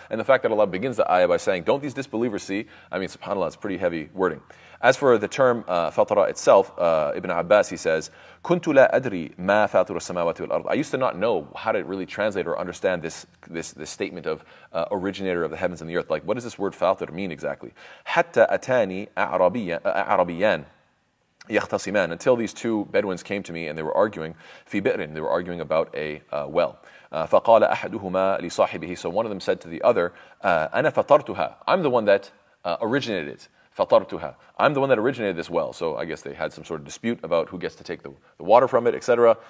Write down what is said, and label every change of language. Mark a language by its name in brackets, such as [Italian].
[English] And the fact that Allah begins the ayah by saying, don't these disbelievers see? I mean, subhanAllah, it's pretty heavy wording. As for the term fatara itself, Ibn Abbas, he says, [Arabic] كنت لا أدري ما فاتر السماوات والأرض. [English] I used to not know how to really translate or understand this statement of originator of the heavens and the earth. Like, what does this word fatir mean exactly? [Arabic] حتى أتاني أعربيان يختصمان. [English] Until these two Bedouins came to me and they were arguing, [Arabic] في بئرين, [English] they were arguing about a well. [Arabic] فقال أحدهما لصاحبه. [English] So one of them said to the other, [Arabic] أنا فطرتها. [English] I'm the one that originated it. [Arabic] فطرتها. [English] I'm the one that originated this well. So I guess they had some sort of dispute about who gets to take the water from it, etc.